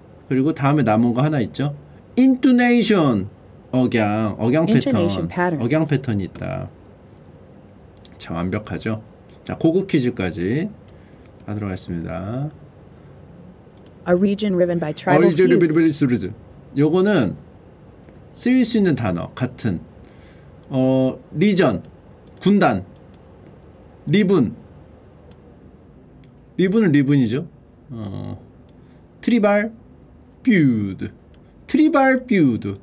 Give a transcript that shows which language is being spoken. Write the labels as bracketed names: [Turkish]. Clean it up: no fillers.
[Korean] 그리고 다음에 남은 거 하나 있죠. Intonation. 억양. 억양 [English] Intonation Patterns. [Korean] 억양 패턴이 있다. 자, 완벽하죠. 자, 고급 퀴즈까지 하도록 하겠습니다. [English] A region riven by tribal feuds. [Korean] 요거는 쓰일 수 있는 단어. 같은. Region. 군단. 리븐. 리븐은 리븐이죠. 트리발 퓨드. 트리발 퓨드.